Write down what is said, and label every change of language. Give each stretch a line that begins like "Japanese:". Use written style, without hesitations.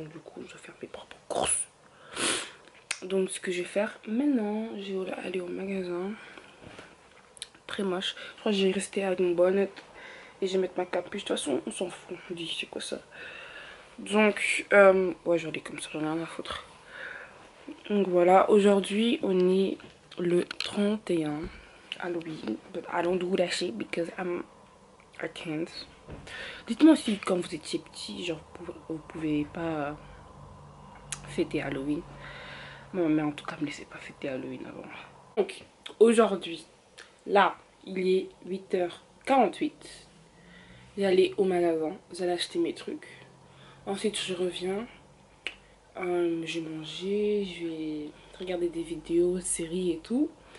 French: Donc du coup, je vais faire mes propres courses. Donc ce que je vais faire maintenant, je vais aller au magasin. Très moche. Je crois que je vais rester avec mon bonnet et je vais mettre ma capuche. De toute façon, on s'en fout. On dit, c'est quoi ça? Donc, ouais, j'en ai comme ça, j'en ai rien à foutre. Donc voilà, aujourd'hui, on est le 31 Halloween.
English: But I don't do that shit because I'm a kid.
French: Dites-moi si quand vous étiez petit, genre, vous pouvez pas fêter Halloween. Ma mère, en tout cas, me laissait pas fêter Halloween avant. Donc, aujourd'hui, là, il est 8h48. J'allais au magasin, j'allais acheter mes trucs. Ensuite, je reviens, j'ai mangé, je vais regarder des vidéos, des séries et tout.